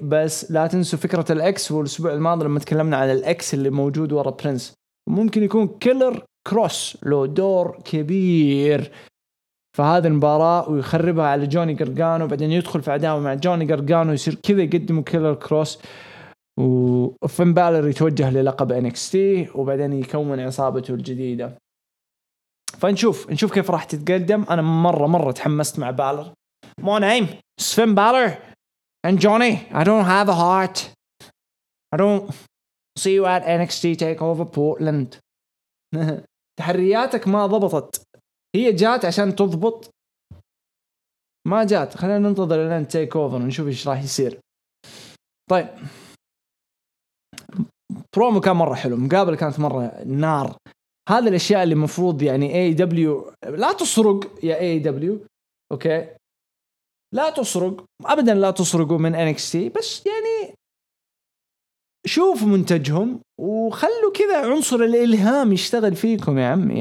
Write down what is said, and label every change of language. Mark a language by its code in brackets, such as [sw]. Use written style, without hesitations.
[ar] بس لا تنسوا فكرة الأكس, والأسبوع الماضي لما تكلمنا على الأكس اللي موجود ورا برينس, ممكن يكون كيلر كروس له دور كبير فهذه المباراة ويخربها على جوني غارغانو, بعدين يدخل في عداوة مع جوني غارغانو يصير كذا يقدمه كيلر كروس, وفين بالر يتوجه للقب NXT وبعدين يكون عصابته الجديدة. فنشوف كيف راح تتقدم. أنا مرة تحمست مع بالر. [en] My name is Finn Balor and Johnny, I don't have a heart. I don't see you at NXT Takeover Portland. [ar] تحرياتك ما ضبطت, هي جات عشان تضبط ما جات. خلينا ننتظر لين Takeover ونشوف إيش راح يصير. طيب, برومو كان مرة حلو, مقابلة كانت مرة نار. هذه الأشياء اللي مفروض يعني AEW لا تسرق يا AEW, أوكي لا تسرق أبدا, لا تسرقوا من NXT, بس يعني شوفوا منتجهم وخلوا كذا عنصر الإلهام يشتغل فيكم يا عمي.